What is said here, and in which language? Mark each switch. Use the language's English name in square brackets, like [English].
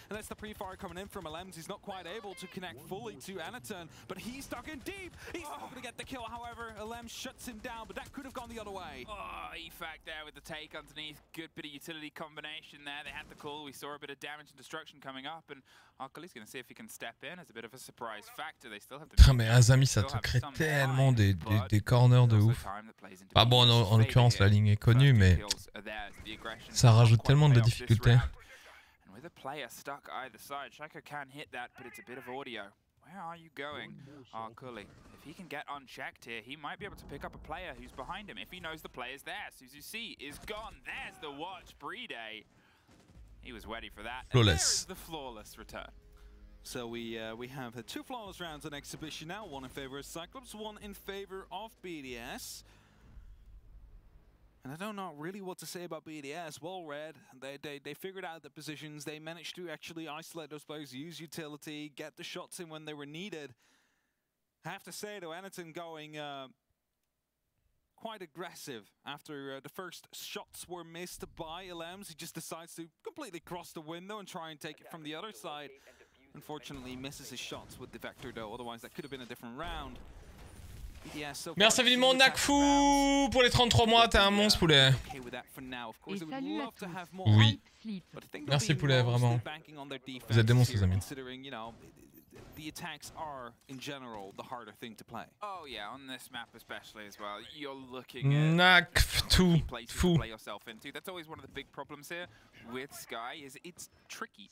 [English] And that's the pre-fire coming in from Alems. He's not quite able to connect fully to Anaturn, but he's stuck in deep. He's not going to get the kill. However, Alems shuts him down, but that could have gone the other way. Oh, EFAC there with the take underneath. Good bit of utility combination there. They had the call. We saw a bit of damage and destruction coming up. And Arkali's going to see if he can step in as a bit of a surprise factor. They still have the... [French] Mais Azami, ça te crée tellement des corners de ouf. Ah bon, en l'occurrence, la ligne est connue, mais ça rajoute tellement de difficultés. [English] And with a player stuck either side, Shaco can hit that, but it's a bit of audio. Where are you going, Arkali? If he can get unchecked here, he might be able to pick up a player who's behind him if he knows the player's there. So as you see, is gone. There's the watch, Bride. He was ready for that. Flawless. And there is the flawless return. So we have two flawless rounds on exhibition now. One in favor of Cyclops, one in favor of BDS. And I don't know really what to say about BDS. Well read. They figured out the positions. They managed to actually isolate those players, use utility, get the shots in when they were needed. I have to say though, Anaton going quite aggressive after the first shots were missed by Alems. He just decides to completely cross the window and try and take it from the other side. Unfortunately, he misses his shots with the vector though. Otherwise, that could have been a different round. [French] Merci infiniment Nakfu pour les 33 mois, t'es un monstre poulet. Oui. Merci poulet, vraiment. Vous êtes des monstres, les amis. [English] the attacks are, in general, the harder thing to play. Oh yeah, on this map especially as well. You're looking at two places to play yourself into. That's always one of the big problems here with Sky, is it's tricky.